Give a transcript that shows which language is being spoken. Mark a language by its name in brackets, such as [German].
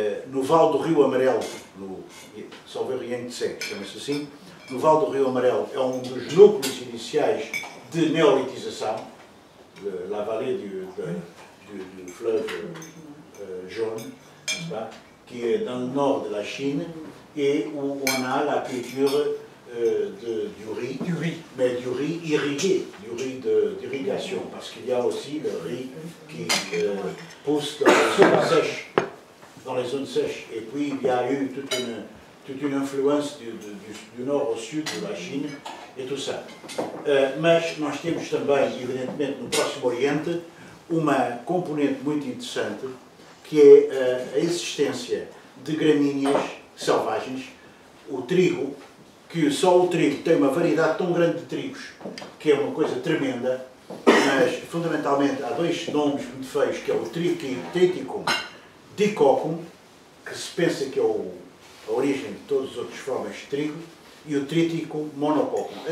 [Portuguese] No Vale do Rio Amarelo, no Salveiro Yangtze, chama-se assim, no Vale do Rio Amarelo é um dos núcleos iniciais de neolitização, [French] la vallée du fleuve jaune, [Portuguese] que é no norte da China, e [French] on a la culture du riz, mais du riz irrigué, du riz d'irrigation. réaction, parce qu'il y a aussi le riz qui pousse dans les zones sèches. Dans les zones sèches. Et puis, il y a eu toute une influence du nord au sud de la Chine et tout ça. [Portuguese] Mas nós temos também, evidentemente, no Próximo Oriente, uma componente muito interessante, que é a existência de gramíneas selvagens, o trigo, que só o trigo tem uma variedade tão grande de trigos, que é uma coisa tremenda, mas, fundamentalmente, há dois nomes muito feios, que é o Triticum dicocum, que se pensa que é a origem de todas as outras formas de trigo, e o Triticum monococum.